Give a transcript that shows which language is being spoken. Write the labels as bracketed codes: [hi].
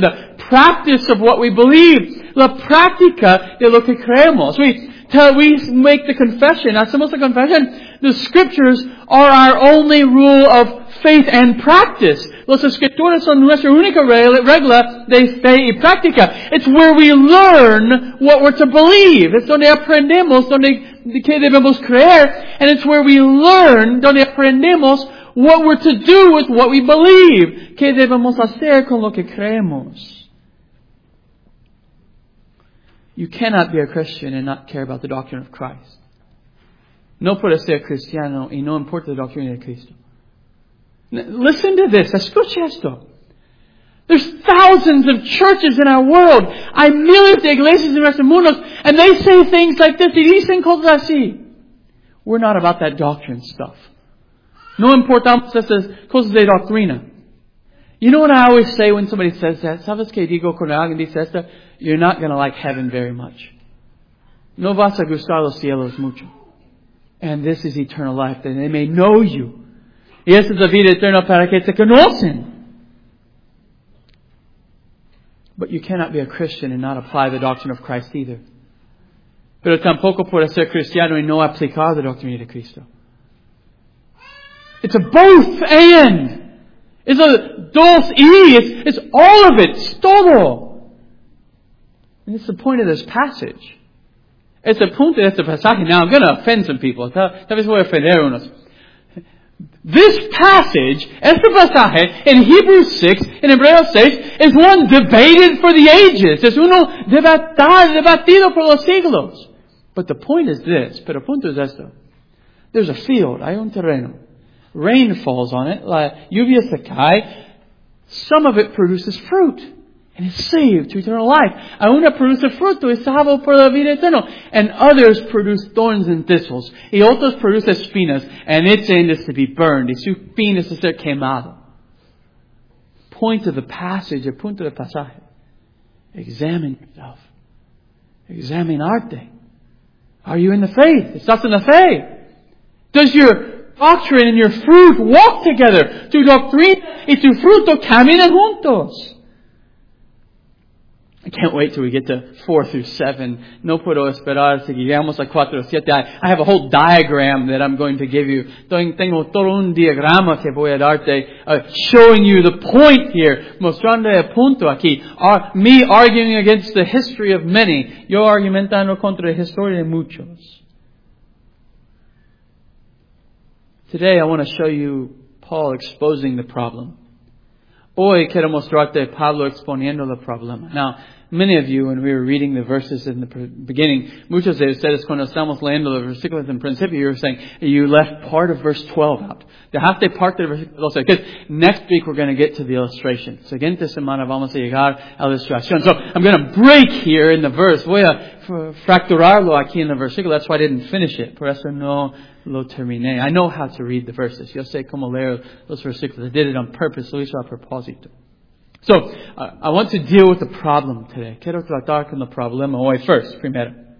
[en] The practice of what we believe. [es] La práctica de lo que creemos. [en] We make the confession. [es] Hacemos la confession. [en] The scriptures are our only rule of faith and practice. [es] Los escrituras son nuestra única regla de fe y práctica. [en] It's where we learn what we're to believe. [es] It's donde aprendemos, donde que debemos creer. [en] And it's where we learn, [es] donde aprendemos, [en] what we're to do with what we believe. [es] Que debemos hacer con lo que creemos. [en] You cannot be a Christian and not care about the doctrine of Christ. [es] No puedes ser cristiano y no importa la doctrina de Cristo. [en] Listen to this. [es] Escucha esto. [en] There's thousands of churches in our world. [es] Hay miles de iglesias en nuestro mundo. [en] And they say things like this. [es] Y dicen cosas así. [en] We're not about that doctrine stuff. [es] No importamos esas cosas de doctrina. [en] You know what I always say when somebody says that? [es] ¿Sabes qué digo cuando alguien dice esto? [en] You're not going to like heaven very much. [es] No vas a gustar los cielos mucho. [en] And this is eternal life, that they may know you. [es] Y esta es la vida eterna para que te conocen. [en] But you cannot be a Christian and not apply the doctrine of Christ either. [es] Pero tampoco puedes ser cristiano y no aplicar la doctrina de Cristo. [en] It's a both and. It's a [es] dos y. [en] It's all of it. [es] It's todo. [en] And it's the point of this passage. It's a point of this passage. Now I'm going to offend some people. [es] Tal vez voy a ofender unos. [en] This passage, [es] este pasaje, [en] in Hebrews 6, in Hebreos 6, is one debated for the ages. [es] Es uno debatido por los siglos. [en] But the point is this. [es] Pero el punto es esto. [en] There's a field. [es] Hay un terreno. [en] Rain falls on it. [es] La lluvia se cae. [en] Some of it produces fruit. And it's saved to eternal life. [es] A una produce fruto y salvo por la vida eterna. [en] And others produce thorns and thistles. [es] Y otros produce espinas. [en] And its end is to be burned. [es] Y su fin es ser quemado. [en] Point of the passage. [es] El punto del pasaje. [en] Examine yourself. Examine arte. Are you in the faith? [es] Estás en la fe. [en] Does your doctrine and your fruit walk together? [es] Tu doctrina y tu fruto caminan juntos. [en] I can't wait till we get to 4 through 7. [es] No puedo esperar si llegamos a 4 o 7. [en] I have a whole diagram that I'm going to give you. [es] Tengo todo un diagrama que voy a darte, [en] showing you the point here. [es] Mostrando el punto aquí. [en] Me arguing against the history of many. [es] Yo argumentando contra la historia de muchos. [en] Today I want to show you Paul exposing the problem. [es] Hoy quiero mostrarte Pablo exponiendo el problema. [en] Now, many of you, when we were reading the verses in the beginning, [es] muchos de ustedes cuando estamos leyendo los versículos en principio, [en] you were saying, you left part of verse 12 out. [es] Dejaste parte del versículo 12. [en] Because next week we're going to get to the illustration. [es] Siguiente semana vamos a llegar a la ilustración. [en] So, I'm going to break here in the verse. [es] Voy a fracturarlo aquí en el versículo. [en] That's why I didn't finish it. [es] Por eso no lo terminé. [en] I know how to read the verses. [es] Yo sé cómo leer los versículos. [en] I did it on purpose. [es] Lo hice a propósito. [en] So, I want to deal with the problem today. [es] Quiero tratar con el problema hoy first, primero.